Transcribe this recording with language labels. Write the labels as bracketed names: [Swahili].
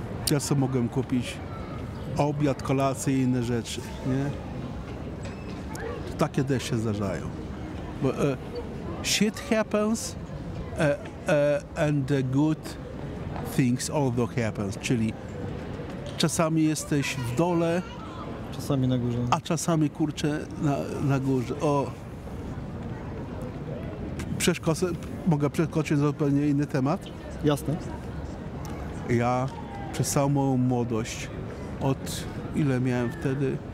[Polish] Ja sobie mogłem kupić obiad, kolację i inne rzeczy, nie? Takie też się zdarzają. [English] Shit happens and the good things also happens. [Polish] Czyli czasami jesteś w dole, czasami na górze, a czasami kurczę na górze. O, mogę przeskoczyć zupełnie inny temat? Jasne. Ja przez całą moją młodość, od ile miałem wtedy?